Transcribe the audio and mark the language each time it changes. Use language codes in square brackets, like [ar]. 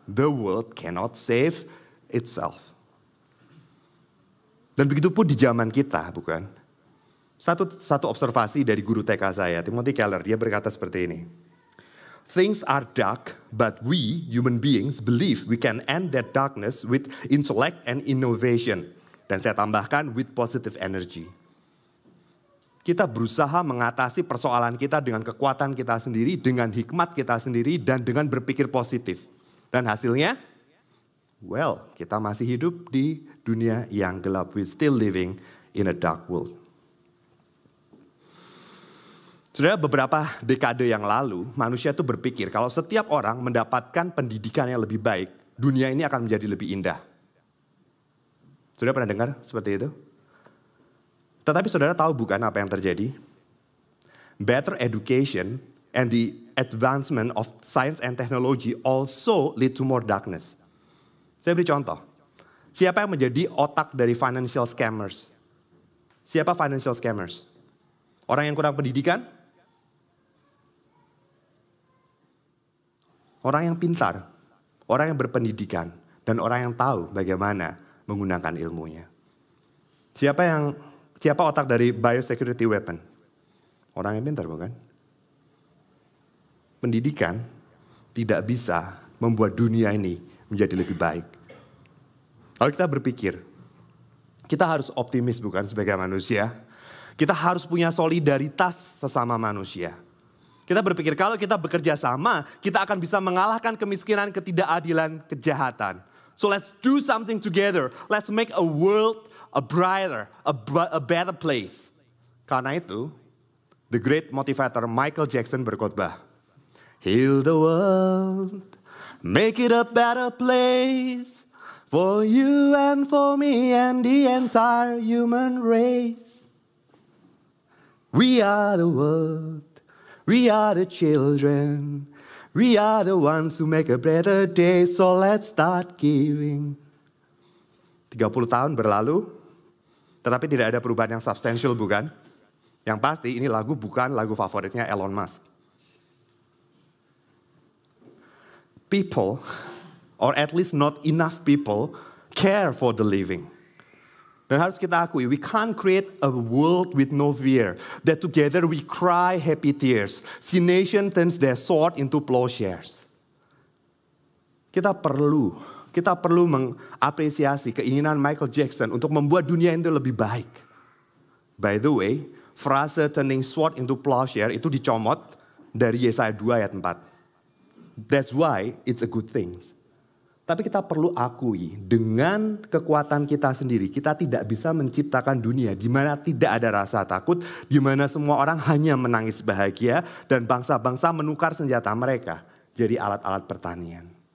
[en] The world cannot save itself. [id] Dan begitu pun di zaman kita, bukan? Satu observasi dari guru TK saya, Timothy Keller, dia berkata seperti ini. [en] Things are dark, but we, human beings, believe we can end that darkness with intellect and innovation. [id] Dan saya tambahkan, [en] with positive energy. [id] Kita berusaha mengatasi persoalan kita dengan kekuatan kita sendiri, dengan hikmat kita sendiri, dan dengan berpikir positif. Dan hasilnya? Well, kita masih hidup di dunia yang gelap. [en] We're still living in a dark world. [id] Sudah beberapa dekade yang lalu, manusia itu berpikir kalau setiap orang mendapatkan pendidikan yang lebih baik, dunia ini akan menjadi lebih indah. Sudah pernah dengar seperti itu? Tetapi saudara tahu bukan apa yang terjadi? [en] Better education and the advancement of science and technology also lead to more darkness. [id] Saya beri contoh. Siapa yang menjadi otak dari financial scammers? Siapa financial scammers? Orang yang kurang pendidikan? Orang yang pintar. Orang yang berpendidikan. Dan orang yang tahu bagaimana menggunakan ilmunya. Siapa otak dari biosecurity weapon? Orang yang pintar, bukan? Pendidikan tidak bisa membuat dunia ini menjadi lebih baik. Lalu kita berpikir, kita harus optimis, bukan, sebagai manusia. Kita harus punya solidaritas sesama manusia. Kita berpikir, kalau kita bekerja sama, kita akan bisa mengalahkan kemiskinan, ketidakadilan, kejahatan. [en] So let's do something together. Let's make a world a brighter, a better place. [id] Karena itu, [en] the great motivator Michael Jackson [id] berkhotbah, [en] heal the world, make it a better place, for you and for me and the entire human race. We are the world, we are the children, we are the ones who make a better day, so let's start giving. [id] 30 tahun berlalu, tetapi tidak ada perubahan yang substansial, bukan? Yang pasti ini lagu bukan lagu favoritnya Elon Musk. [en] People, or at least not enough people, care for the living. [id] Dan harus kita akui, [en] we can't create a world with no fear, that together we cry happy tears, see nation turns their sword into plowshares. [id] Kita perlu mengapresiasi keinginan Michael Jackson untuk membuat dunia itu lebih baik. [en] By the way, [id] frase [en] turning sword into plowshare [id] itu dicomot dari Yesaya 2 ayat 4. [en] That's why it's a good thing. [id] Tapi kita perlu akui, dengan kekuatan kita sendiri, kita tidak bisa menciptakan dunia di mana tidak ada rasa takut, di mana semua orang hanya menangis bahagia, dan bangsa-bangsa menukar senjata mereka jadi alat-alat pertanian.